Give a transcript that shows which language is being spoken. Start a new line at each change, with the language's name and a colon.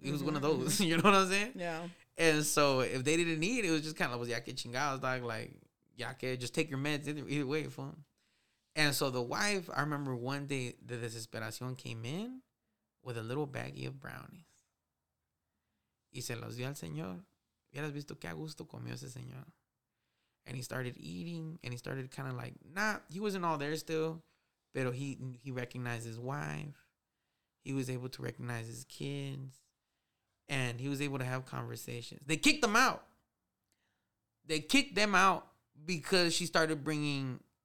English: It was one of those. You know what I'm saying? Yeah. And so if they didn't eat, it was just kind of like, was
Spanish: ya que chingados,
English: dog? Like,
Spanish: ya que,
English: just take your meds either way, fool. And so the wife, I remember one day the desesperación came in with a little baggie of brownies.
Spanish: Y se los dio al señor. Ya has visto que a gusto comió ese señor.
English: And he started eating, and he started kind of like, nah, he wasn't all there still. Pero he recognized his wife. He was able to recognize his kids. And he was able to have conversations. They kicked them out. They kicked them out because she started bringing